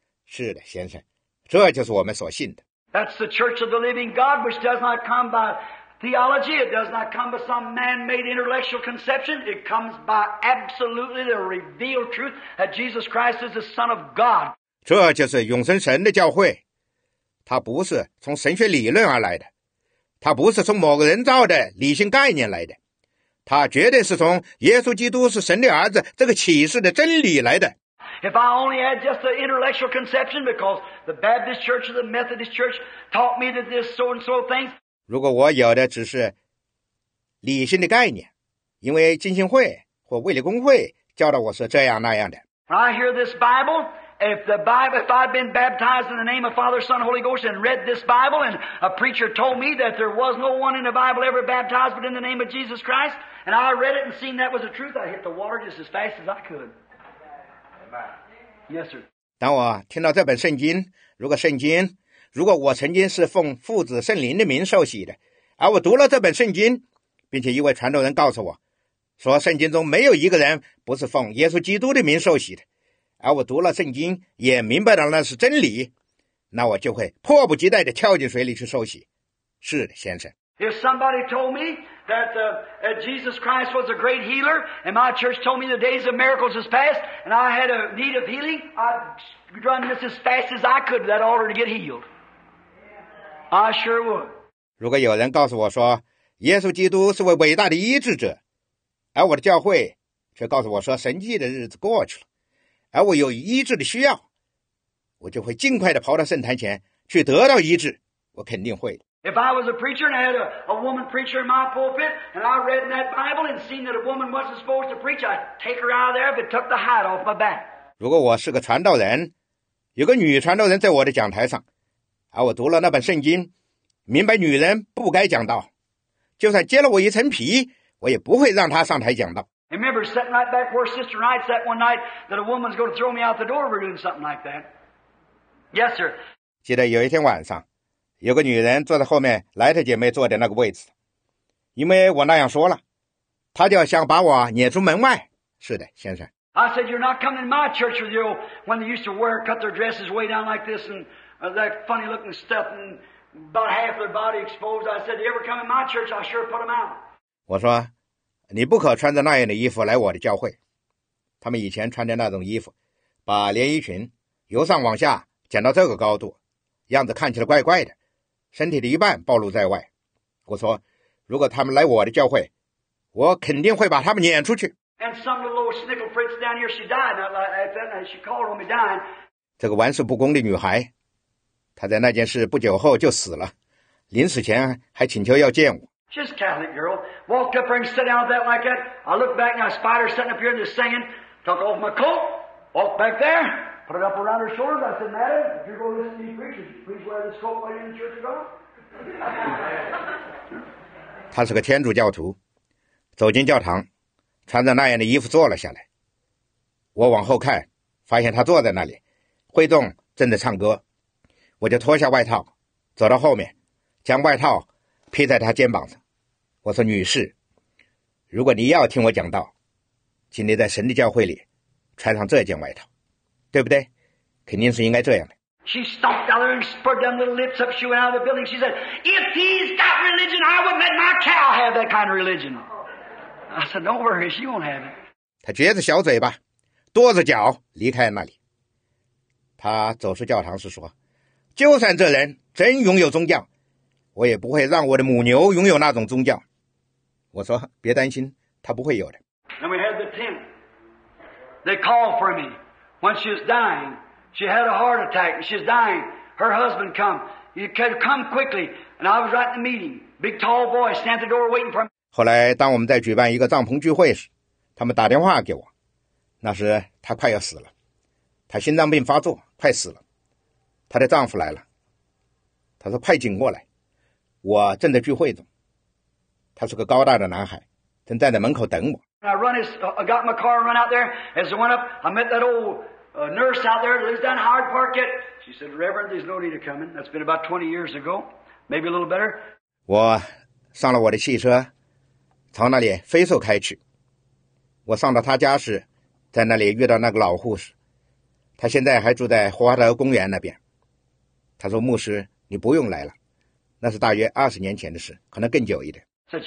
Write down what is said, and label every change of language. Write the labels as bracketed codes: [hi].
[zh] 是的，先生，这就是我们所信的。 [en] That's the church of the living God, which does not come by theology. It does not come by some man-made intellectual conception. It comes by absolutely the revealed truth that Jesus Christ is the Son of God. [zh] 这就是永生神的教会。它不是从神学理论而来的。它不是从某个人造的理性概念来的。它绝对是从耶稣基督是神的儿子这个启示的真理来的。 [en] If I only had just an intellectual conception, because the Baptist Church or the Methodist Church taught me that this so and so things. [zh] 如果我有的只是理性的概念，因为浸信会或卫理公会教导我是这样那样的。 [en] I hear this Bible. If I'd been baptized in the name of Father, Son, Holy Ghost, and read this Bible, and a preacher told me that there was no one in the Bible ever baptized but in the name of Jesus Christ, and I read it and seen that was the truth, I hit the water just as fast as I could. Yes, sir. [zh] 当我听到这本圣经，如果我曾经是奉父子圣灵的名受洗的，而我读了这本圣经，并且一位传道人告诉我，说圣经中没有一个人不是奉耶稣基督的名受洗的，而我读了圣经也明白了那是真理，那我就会迫不及待地跳进水里去受洗。是的，先生。 [en] If somebody told me that Jesus Christ was a great healer, and my church told me the days of miracles is past, and I had a need of healing, I'd run this as fast as I could to that altar to get healed. I sure would. [zh] 如果有人告诉我说，耶稣基督是位伟大的医治者，而我的教会却告诉我说神迹的日子过去了，而我有医治的需要，我就会尽快地跑到圣坛前去得到医治，我肯定会。 [en] If I was a preacher and I had a woman preacher in my pulpit and I read in that Bible and seen that a woman wasn't supposed to preach, I'd take her out of there if it took the hide off my back. [zh] 如果我是个传道人，有个女传道人在我的讲台上，而我读了那本圣经，明白女人不该讲道，就算揭了我一层皮，我也不会让她上台讲道。 [en] Remember sitting right back where Sister Wright sat one night that a woman's going to throw me out the door for doing something like that. Yes, sir. [zh] 记得有一天晚上，有个女人坐在后面莱特姐妹坐的那个位置，因为我那样说了，她就想把我撵出门外。是的，先生。 [en] I said, you're not coming to my church with you when they used to wear, cut their dresses way down like this and that funny looking stuff and about half their body exposed. I said, you ever come to my church, I'll sure put them out. [zh] 我说，你不可穿着那样的衣服来我的教会。他们以前穿着那种衣服，把连衣裙由上往下剪到这个高度，样子看起来怪怪的，身体的一半暴露在外。我说，如果他们来我的教会，我肯定会把他们撵出去。 [en] And some little snickle fritz down here, she died. And she called on me dying. [zh] 这个玩世不恭的女孩，她在那件事不久后就死了，临死前还请求要见我。 [en] Just Catholic girl walked up and sat down there like that. I looked back and I spied her sitting up here and just singing. Took off my coat, walked back there, put it up around her shoulders. I said, "Madam, if you're going to listen to these preachers, please wear this coat while you're in the church of God." [zh] 她是个天主教徒，走进教堂。穿着那样的衣服坐了下来，我往后看，发现他坐在那里，挥动正在唱歌，我就脱下外套，走到后面，将外套披在他肩膀上。我说：“女士，如果你要听我讲道，请你在神的教会里穿上这件外套，对不对？肯定是应该这样的。” [en] She stomped out there and spurred down little lips up. She went out of the building. She said, "If he's got religion, I wouldn't let my cow have that kind of religion." I said, "Don't worry, she won't have it." [zh] 他撅着小嘴巴，跺着脚离开那里。他走出教堂时说：“就算这人真拥有宗教，我也不会让我的母牛拥有那种宗教。” 我说：“别担心，他不会有的。” [en] And we had the tent. They called for me. When she was dying, she had a heart attack. She was dying. Her husband come. He could come quickly. And I was right in the meeting. Big tall boy stand at the door waiting for me. [zh] 后来当我们在举办一个帐篷聚会时，他们打电话给我，那时他快要死了，他心脏病发作快死了，他的丈夫来了，他说快紧过来，我正在聚会中。他是个高大的男孩，正站在门口等我。 [en] I got my car and run out there. As I went up, I met that old nurse out there that lives down Hard Park yet. She said, "Reverend, there's no need of coming. That's been about 20 years ago. Maybe a little better." [zh] 我上了我的汽车朝那里飞速开去。我上到他家时，在那里遇到那个老护士，他现在还住在华德公园那边。他说：“牧师，你不用来了，那是大约20年前的事，可能更久一点。”